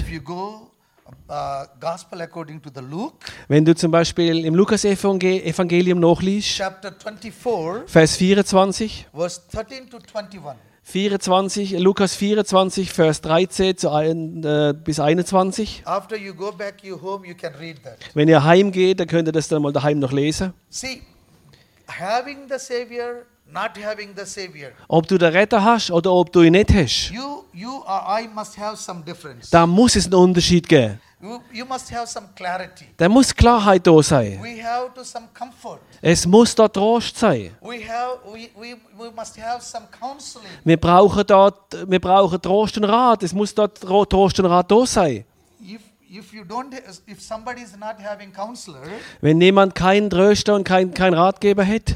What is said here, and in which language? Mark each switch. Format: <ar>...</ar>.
<en>If you go Gospel according to the Luke,</en> <de>wenn du zum Beispiel im Lukas Evangelium nachliest,</de> <en>chapter 24,</en> <de>Vers 24,</de> <en>verse 13 to 21.</en> <de>24, Lukas 24, Vers 13 bis 21.</de> <en>After you go back you home, you can read that.</en> <de>Wenn ihr heimgeht, dann könnt ihr das dann mal daheim noch lesen.</de> <en>See, having the Savior, not having the Savior.</en> <de>Ob du den Retter hast oder ob du ihn nicht hast.</de> <en>You or I must have some difference.</en> <de>Da muss es einen Unterschied geben.</de> <en>You must have some clarity.</en> <de>Da muss Klarheit da sein.</de> <en>We have to some comfort.</en> <de>Es muss da Trost sein.</de> <en>We must have some counseling.</en> <de>Wir brauchen Trost und Rat. Es muss dort Trost und Rat da sein.</de> <en>If somebody is not having counselor,</en> <de>wenn jemand keinen Tröster und keinen Ratgeber hat,</de>